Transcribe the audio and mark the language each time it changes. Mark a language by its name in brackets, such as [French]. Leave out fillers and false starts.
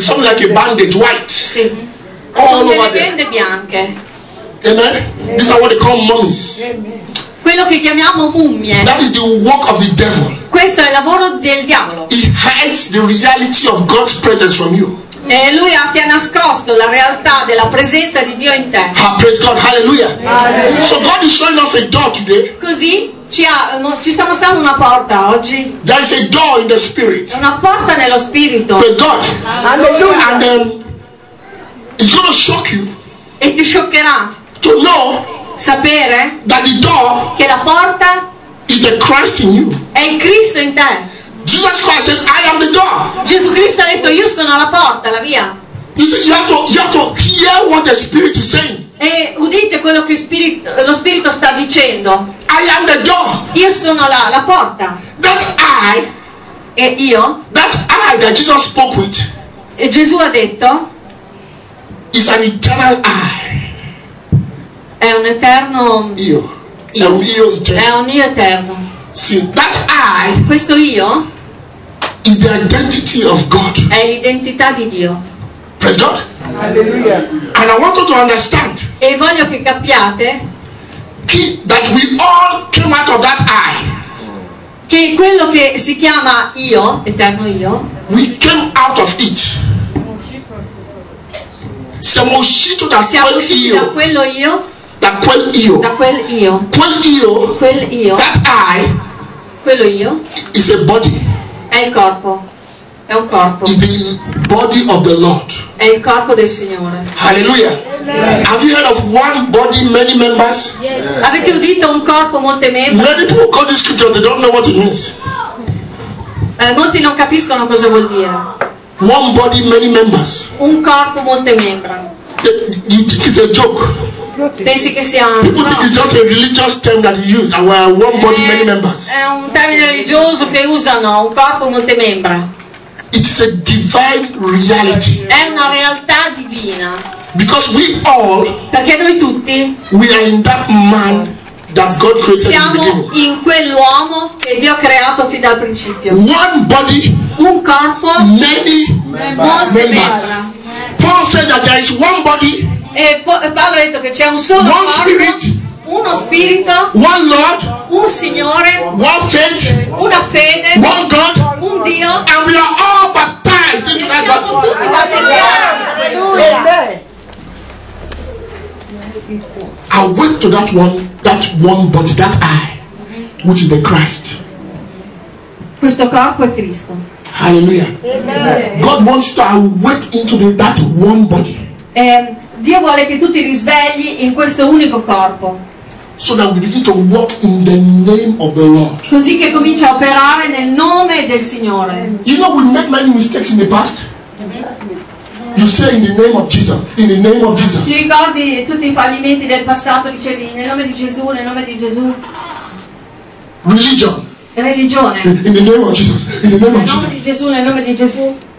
[English] something like a bandage, white. [Italian] Sì. [English] All [Italian] delle bende bianche. [English] Amen. Amen. These are what they call mummies. [Italian] Quello che chiamiamo mummie. [English] That is the work of the devil. [Italian] Questo è il lavoro del diavolo. [English] He hides the reality of God's presence from you. [Italian] E lui ti ha nascosto la realtà della presenza di Dio in te. [English] Ha, praise God, hallelujah. Hallelujah. So God is showing us a door today. [Italian] Così ci sta mostrando una porta oggi. [English] There is a door in the spirit. [Italian] Una porta nello spirito. [English] Praise God. Hallelujah. And then. It's gonna shock you. [Italian] E ti scioccherà. [English] To know. [Italian] Sapere. [English] That the door. [Italian] Che la porta. [English] Is the Christ in you. [Italian] È il Cristo in te. [English] Jesus Christ says, I am the door. [Italian] Gesù Cristo ha detto, io sono la porta, la via. [English] You see, you have to hear what the Spirit is saying. [Italian] E udite quello che lo Spirito sta dicendo. [English] I am the door. [Italian] Io sono la porta. [English] That I. [Italian] E io. [English] That I that Jesus spoke with. [Italian] E Gesù ha detto. [English] Is an eternal I. [Italian] È un eterno io. È un io eterno. È un io eterno. [English] See, that I. [Italian] Questo io. [English] Is the identity of God. [Italian] È l'identità di Dio. [English] Praise God. Hallelujah. And I want you to understand. [Italian] E voglio che capiate. [English] That we all came out of that I. [Italian] Che quello che si chiama io, eterno io. [English] We came out of it. [Italian] Siamo usciti da quel io. Da quello io. Da quel io. Da quel io. Quel io. Quel io. [English] That I. [Italian] Quello io. [English] Is a body. [Italian] È il corpo. È un corpo. [English] Is the body of the Lord. [Italian] È il corpo del Signore. [English] Hallelujah. Yes. Have you heard of one body, many members? Yes. [Italian] Avete udito un corpo, molte membra? [English] Many people call this scripture, they don't know what it means. [Italian] Molti non capiscono cosa vuol dire. [English] One body, many members. [Italian] Un corpo, molte membra. [English] You think it's a joke? [Italian] Pensi che sia un... [English] People think it's just a religious term that you use. And we're one body, many members. [Italian] È un termine religioso che usano. Un corpo, molte membra. [English] It is a divine reality. [Italian] È una realtà divina. [English] Because we all. [Italian] Perché noi tutti. [English] We are in that man that God created. [Italian] Siamo in quell'uomo che Dio ha creato fin dal principio. One body. Un corpo, [English] many members. Paul says that there is one body. [Italian] E Paolo ha detto che c'è un solo corpo. [English] One spirit. [Italian] Uno spirito. [English] One Lord. [Italian] Un Signore. [English] One faith. [Italian] Una fede. [English] One God. [Italian] Un Dio. [English] And we are all baptized into that body. [Italian] Siamo tutti battezzati. [English] Awake to that one body, that I, which is the Christ. [Italian] Questo corpo è Cristo. [English] Hallelujah. Amen. God wants to awake into that one body. [Italian] Dio vuole che tu ti risvegli in questo unico corpo. [English] So that we begin to walk in the name of the Lord. [Italian] Così che comincia a operare nel nome del Signore. [English] You know, we made many mistakes in the past. You say in the name of Jesus, in the name of Jesus. [Italian] Ti ricordi tutti i fallimenti del passato? Dicevi nel nome di Gesù, nel nome di Gesù. [English] Religion. [Italian] Religione. [English] In the name of Jesus. In the name of Jesus. [Italian] Nel nome di Gesù, nel nome di Gesù.